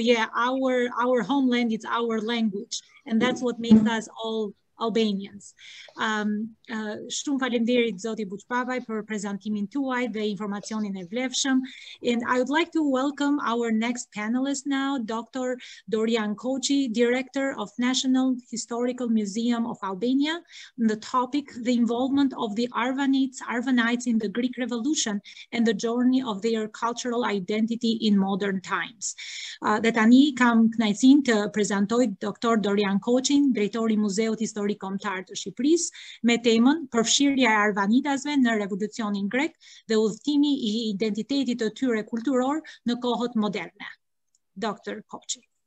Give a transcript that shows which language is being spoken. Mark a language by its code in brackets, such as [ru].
[en] Yeah, our homeland is our language, and that's what makes us all Albanians. [sq] Shumë faleminderit Zoti Buçpapaj për prezantimin tuaj dhe informacionin e vlefshëm. [en] And I would like to welcome our next panelist now, Dr. Dorian Koçi, Director of National Historical Museum of Albania, on the topic the involvement of the Arvanites in the Greek Revolution and the journey of their cultural identity in modern times. [sq] Dhe tani kam knajsin të prezantoj Dr. Dorian Koçin, Drejtori Muzeut Historik Kombëtar të Shqipërisë, me temën përfshirja e Arvanitasve në revolucionin grek dhe udhëtimi i identitetit të tyre kulturor në kohët moderne. Dr. Koçi.